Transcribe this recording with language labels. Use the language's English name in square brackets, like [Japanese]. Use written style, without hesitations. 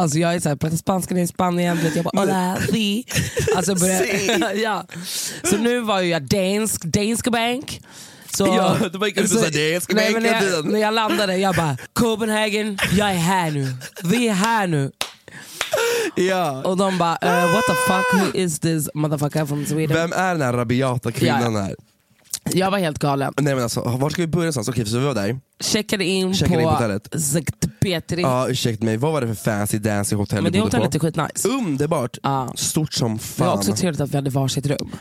[Swedish] Alltså jag är så här på spanska i Spanien vet jag bara [Spanish] hola, si. [Swedish] Alltså börja, ja. Så nu var ju jag dansk bank. Så ja, det var inte så där dansk bank. Nej, när jag landade jag bara Copenhagen, jag är här nu. Vi är här nu. Ja. Och de bara [English] what the fuck, who is this motherfucker from Sweden? [Swedish] Vem är den här rabiata kvinnan här? Jag var helt galen. Nej men alltså, var ska vi börja någonstans? Okej, så vi var där. Checkade in på Sankt Petri. Ja, ursäkta mig. Vad var det för [English] fancy dancing [Swedish] hotell? Men det hotellet är skitnice. Underbart. Stort som fan. Det var också trevligt att vi hade varsitt rum.